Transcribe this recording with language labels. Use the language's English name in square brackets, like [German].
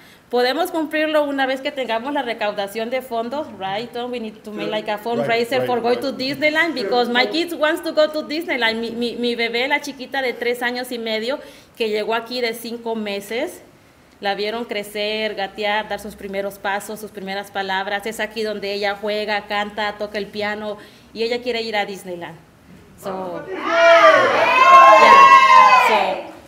[Spanish] Podemos cumplirlo una vez que tengamos la recaudación de fondos, right? [English] Don't we need to make like a fundraiser for going to Disneyland, because my kids wants to go to Disneyland. [Spanish] Mi bebé, la chiquita de 3 años y medio, que llegó aquí de 5 meses, la vieron crecer, gatear, dar sus primeros pasos, sus primeras palabras. Es aquí donde ella juega, canta, toca el piano, y ella quiere ir a Disneyland. [English] So, yeah.